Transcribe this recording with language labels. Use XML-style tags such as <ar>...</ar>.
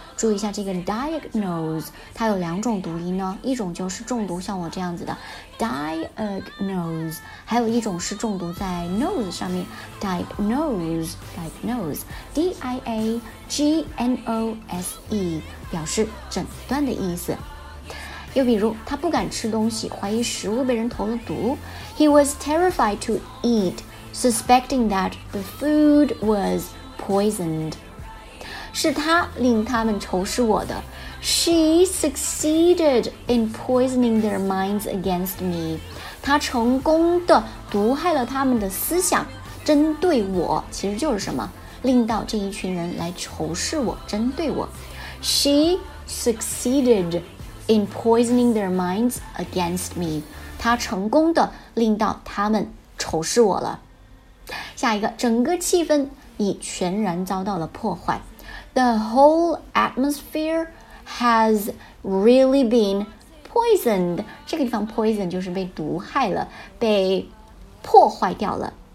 <zh>注意一下这个 diagnose， 它有两种读音呢，一种就是中毒，像我这样子的 diagnose， 还有一种是中毒在 nose 上面 diagnose， D-I-A-G-N-O-S-E， 表示诊断的意思。又比如，他不敢吃东西，怀疑食物被人投了毒。</zh> <en>He was terrified to eat, suspecting that the food waspoisoned.</en> <zh>是他令他们仇视我的。</zh> <en>She succeeded in poisoning their minds against me.</en> <zh>她成功的毒害了他们的思想，针对我，其实就是什么，令到这一群人来仇视我，针对我。</zh> <en>She succeeded in poisoning their minds against me.</en> <zh>她成功的令到他们仇视我了。下一个，整个气氛已全然遭到了破坏。</zh> <en>The whole atmosphere has really been poisoned.</en> <zh>这个地方 poison 就是被毒害了，被破坏掉了。</zh>